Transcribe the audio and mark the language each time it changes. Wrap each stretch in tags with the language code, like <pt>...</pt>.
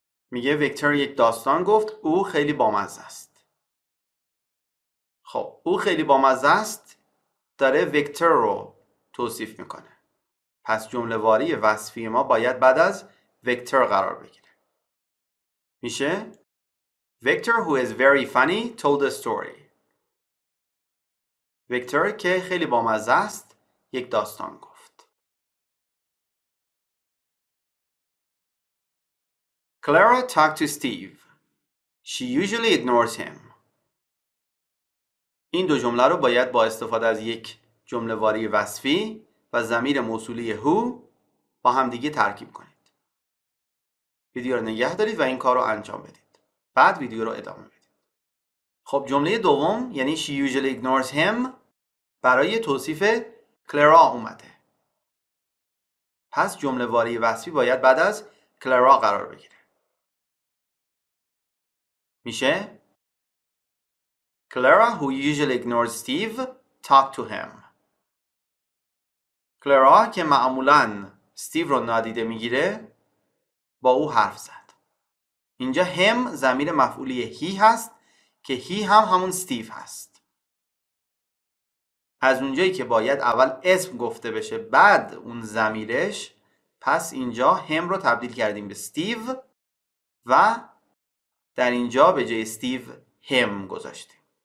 <fa>میگه ویکتور یک داستان گفت، او خیلی بامزه است. خب او خیلی بامزه است داره ویکتور رو توصیف میکنه. پس جمله واری وصفی ما باید بعد از ویکتور قرار بگیره.</fa> <en>میشه Victor, who is very funny, told a story.</en> <fa>Victor, که خیلی بامزه است، یک داستان گفت.</fa> <en>Clara talked to Steve. She usually ignores him.</en> <fa>این دو جمله رو باید با استفاده از یک جمله واری وصفی و ضمیر موصولی who با همدیگه ترکیب کنید. ویدیو رو نگه دارید و این کار رو انجام بدید. بعد ویدیو رو ادامه بدید. خب جمله دوم یعنی</fa> <en>she usually ignores him</en> <fa>برای توصیف کلرا اومده. پس جمله واری وصفی باید بعد از کلرا قرار بگیره.</fa> <en>میشه؟ Clara, who usually ignores Steve, talked to him.</en> <fa>Clara, که معمولاً Steve رو نادیده میگیره، با او حرف زد. اینجا him ضمیر مفعولی he هست که he هم همون Steve هست. از اونجایی که باید اول اسم گفته بشه بعد اون ضمیرش، پس اینجا him رو تبدیل کردیم به Steve و در اینجا به جای Steve him گذاشتیم.</fa>